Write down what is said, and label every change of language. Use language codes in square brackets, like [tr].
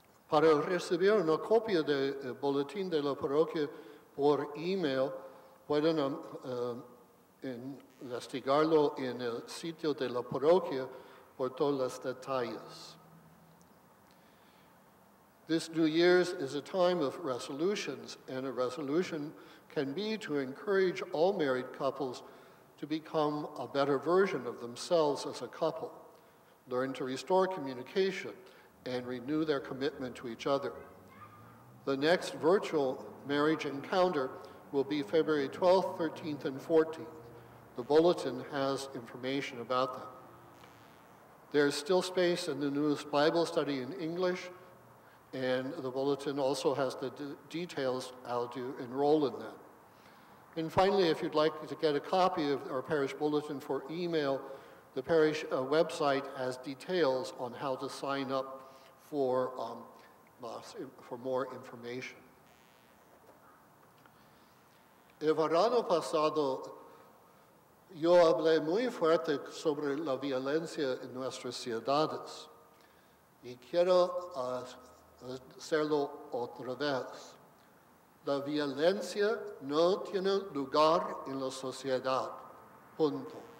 [es] Para recibir una copia del boletín de la parroquia por email, pueden investigarlo en el sitio de la parroquia por todos los detalles. [en] This New Year's is a time of resolutions, and a resolution can be to encourage all married couples to become a better version of themselves as a couple, learn to restore communication, and renew their commitment to each other. The next virtual marriage encounter will be February 12th, 13th, and 14th. The bulletin has information about them. There's still space in the newest Bible study in English, and the bulletin also has the details how to enroll in that. And finally, if you'd like to get a copy of our parish bulletin for email, the parish website has details on how to sign up for more information. [es] El verano pasado, yo hablé muy fuerte sobre la violencia en nuestras ciudades y quiero hacerlo otra vez. La violencia no tiene lugar en la sociedad. Punto.